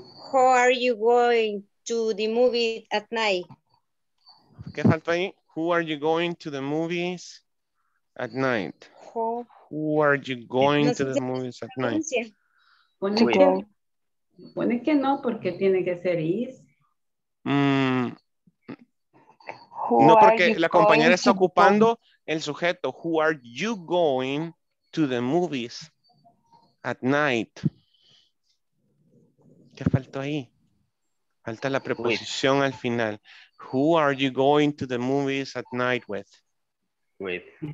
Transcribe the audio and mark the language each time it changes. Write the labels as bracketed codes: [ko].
[en] How are you going to the movie at night? [es] ¿Qué falta ahí? [en] Who are you going to the movies at night? Who are you going to the movies at night? [es] Pone que no, porque tiene que ser is. No, porque la compañera está ocupando el sujeto. [en] Who are you going to the movies at night? [es] ¿Qué faltó ahí? Falta la preposición al final. [en] Who are you going to the movies at night with? With.